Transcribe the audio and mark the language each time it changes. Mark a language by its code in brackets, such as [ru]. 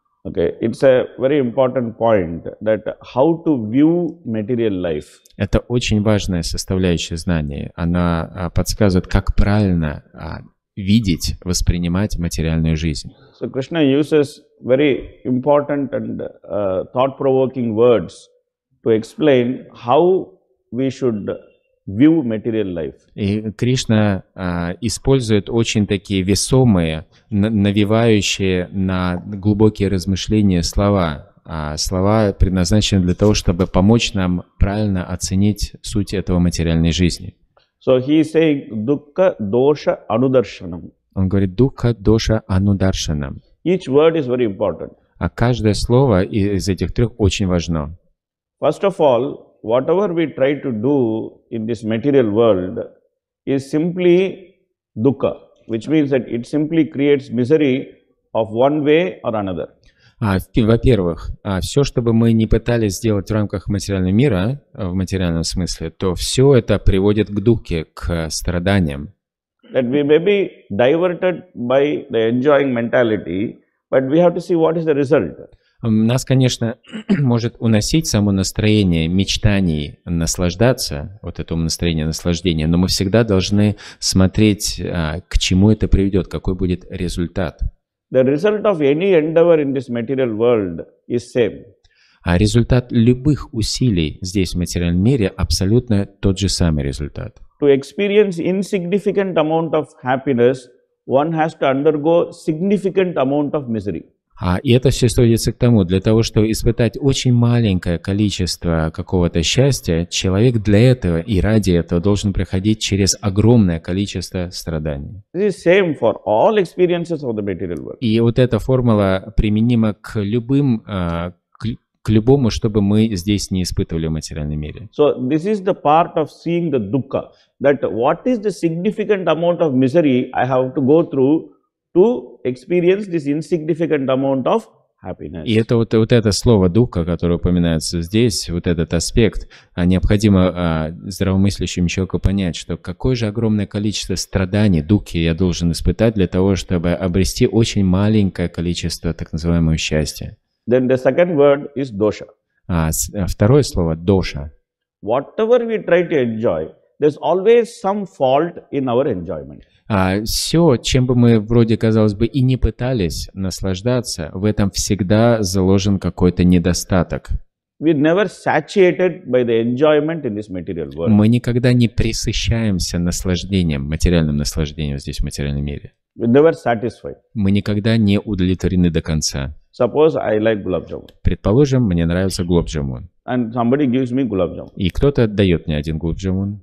[en] Okay, it's a very important point that how to view material life. [ru] Это очень важная составляющая знания. Она подсказывает, как правильно видеть, воспринимать материальную жизнь. [en] So Krishna uses very important and thought-provoking words to explain how we should view material life. [ru] И Кришна использует очень такие весомые, навевающие на глубокие размышления слова. Слова предназначены для того, чтобы помочь нам правильно оценить суть этого материальной жизни. [en] So he is saying [sa] dukkha dosha anudarshanam. [ru] Он говорит [sa] dukkha dosha anudarshanam. [en] Each word is very important. [ru] А каждое слово из этих трех очень важно. [en] First of all, whatever we try to do in this material world is simply dukkha, which means that it simply creates misery of one way or another. [ru] Во-первых, все, что бы мы ни пытались сделать в рамках материального мира, в материальном смысле, то все это приводит к дукхе, к страданиям. [en] That we may be diverted by the enjoying mentality, but we have to see what is the result. [ru] Нас, конечно, может уносить само настроение мечтаний наслаждаться, вот это настроение наслаждения, но мы всегда должны смотреть, к чему это приведет, какой будет результат. [en] The result of any endeavor in this material world is same. [ru] А результат любых усилий здесь, в материальном мире, абсолютно тот же самый результат. [en] To experience insignificant amount of happiness, one has to undergo significant amount of misery. [ru] И это все сводится к тому, для того, чтобы испытать очень маленькое количество какого-то счастья, человек для этого и ради этого должен проходить через огромное количество страданий. [en] This is same for all experiences of the material world. [ru] И вот эта формула применима к любым, к любому, чтобы мы здесь не испытывали в материальном мире. [en] So this is the part of seeing the dukkha, that what is the significant amount of misery I have to go through to experience this insignificant amount of happiness. [ru] И это вот это слово «духа», которое упоминается здесь, вот этот аспект, необходимо здравомыслящему человеку понять, что какое же огромное количество страданий, дукхи я должен испытать для того, чтобы обрести очень маленькое количество так называемого счастья. [en] Then the second word is dosha. [ru] Второе слово – «доша». [en] Whatever we try to enjoy, there's always some fault in our enjoyment. [ru] Все, чем бы мы вроде, казалось бы, и не пытались наслаждаться, в этом всегда заложен какой-то недостаток. [en] We're never satiated by the enjoyment in this material world. [ru] Мы никогда не пресыщаемся наслаждением, материальным наслаждением здесь, в материальном мире. [en] We're never satisfied. [ru] Мы никогда не удовлетворены до конца. [en] Suppose I like gulab jamun. [ru] Предположим, мне нравится gulab jamun. [en] And somebody gives me gulab jamun. [ru] И кто-то дает мне один gulab jamun.